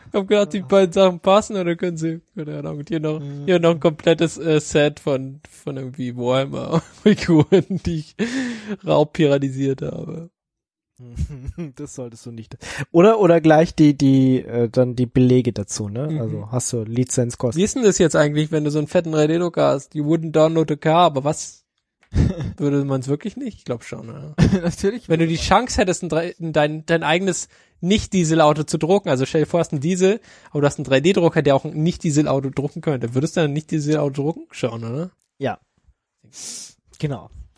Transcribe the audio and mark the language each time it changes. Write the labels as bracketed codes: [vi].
[de] Ich hab gedacht, die beiden Sachen passen, oder können sie, keine Ahnung, hier noch ein komplettes Set von irgendwie Warhammer Figuren, die ich raubpiratisiert habe. Das solltest du nicht. Oder gleich die Belege dazu, ne? Mhm. Also hast du Lizenzkosten. Wie ist denn das jetzt eigentlich, wenn du so einen fetten 3D-Drucker hast? [en] You wouldn't download the car, [de] aber was? Würde man es wirklich nicht? Ich glaube schon, ja. Natürlich. Wenn du die Chance hättest, dein eigenes Nicht-Dieselauto zu drucken, also stell dir vor, hast ein Diesel, aber du hast einen 3D-Drucker, der auch ein Nicht-Dieselauto drucken könnte, würdest du dann ein Nicht-Dieselauto drucken? Schon, oder? Ja. Genau.